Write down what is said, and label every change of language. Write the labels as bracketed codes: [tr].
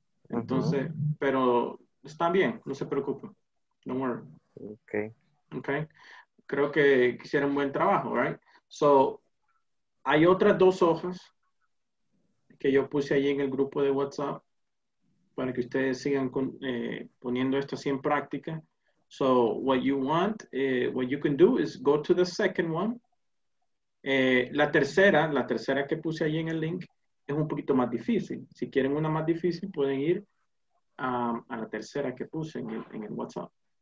[es] Entonces, pero están bien, no se preocupen. [en] No worry. Okay. [es] Creo que hicieron un buen trabajo, right? So, hay otras dos hojas que yo puse ahí en el grupo de WhatsApp para que ustedes sigan poniendo esto así en práctica. [en] So what you want, what you can do is go to the second one. [es] La tercera que puse ahí en el link es un poquito más difícil. Si quieren una más difícil, pueden ir a la tercera que puse en el WhatsApp.